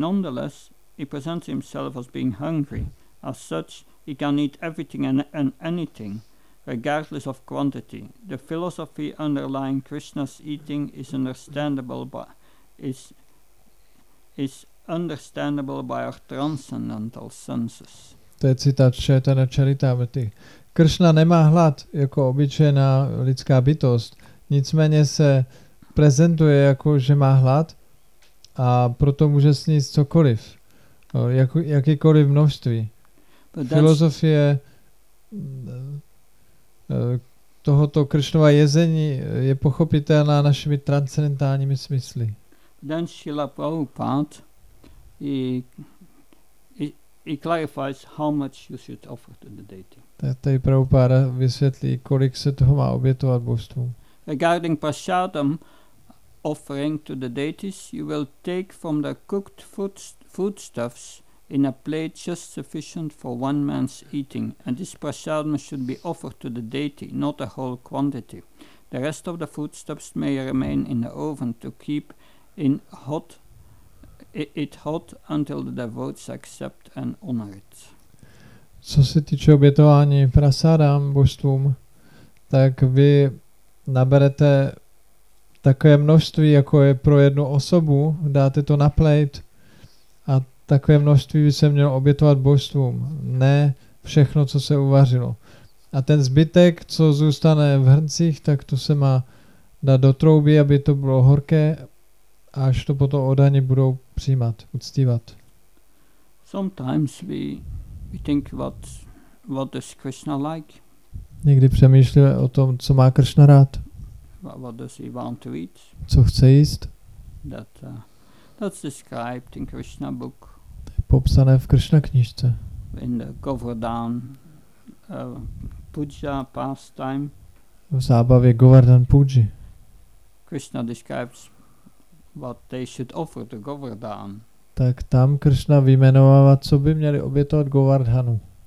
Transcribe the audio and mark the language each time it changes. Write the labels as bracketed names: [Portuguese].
[English] Nonetheless, he presents himself as being hungry. As such, he can eat everything and anything, regardless of quantity. The philosophy underlying Krishna's eating is understandable by is understandable by our transcendental senses. [Czech] To je citát Chaitanya Charitamrity. Krishna nemá hlad jako obyčejná lidská bytost, nicméně se prezentuje jako, že má hlad a proto může sníst cokoliv, jakýkoliv množství. Filozofie tohoto Krishnova jezení je pochopitelná našimi transcendentálními smysly. [English] Then Srila Prabhupada he clarifies how much you should offer to the deity. [Czech] Tady Prabhupada vysvětlí, kolik se toho má obětovat božstvu. [English] Regarding prasadam offering to the deities, you will take from the cooked foodstuffs in a plate just sufficient for one man's eating, and this prasadam should be offered to the deity, not a whole quantity. The rest of the foodstuffs may remain in the oven to keep in hot it hot until the devotees accept and honor it. [Czech] Co se týče obětování prasadam božstvům, tak vy naberete takové množství, jako je pro jednu osobu, dáte to na plate a takové množství by se mělo obětovat božstvům, ne všechno, co se uvařilo. A ten zbytek, co zůstane v hrncích, tak to se má dát do trouby, aby to bylo horké, až to potom odhaně budou přijímat, uctívat. [English] Sometimes we think what does Krishna like? [Czech] Někdy přemýšlíme o tom, co má Krishna rád. [English] What does he want to eat? [Czech] Co chce jíst? [English] That's described in Krishna book. [Czech] To je popsané v Krishna knižce. [English] In the Govardhan Puja pastime. [Czech] V zábavě Govardhan Puji. [English] Krishna describes what they should offer to Govardhan. [Czech] Tak tam Krishna vyjmenovává, co by měli obětovat Govardhanu.